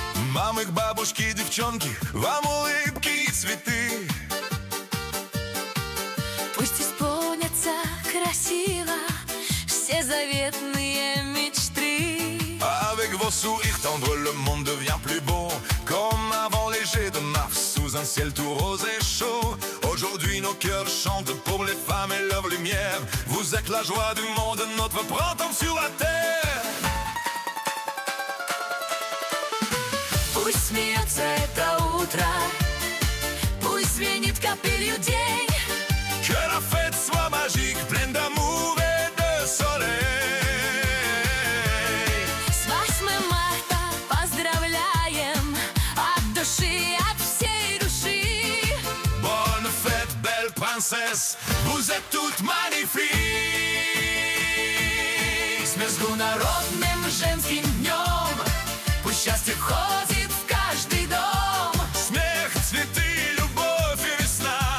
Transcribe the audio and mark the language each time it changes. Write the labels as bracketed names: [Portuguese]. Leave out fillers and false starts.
[Russian] Мамы к бабушке, девчонки, вам улыбки и цветы. Пусть исполнятся красиво все заветные мечты. [French] Avec vos sourires tendres, le monde devient plus beau. Comme avant les jets de mars sous un ciel tout rose et chaud. Aujourd'hui nos cœurs chantent pour les femmes et leur lumière. Vous êtes la joie du monde, notre printemps sur la terre. [Russian] Пусть смеется это утро, пусть звенит капелью день. [French] Que la fête soit magique, pleine d'amour et de soleil. [Russian] С 8 марта поздравляем от души, от всей души. [French] Bonne fête, belle princesse, vous êtes toutes magnifiques. [Russian] С международным женским днем пусть счастье ходит в каждый дом. Смех, цветы, любовь и весна.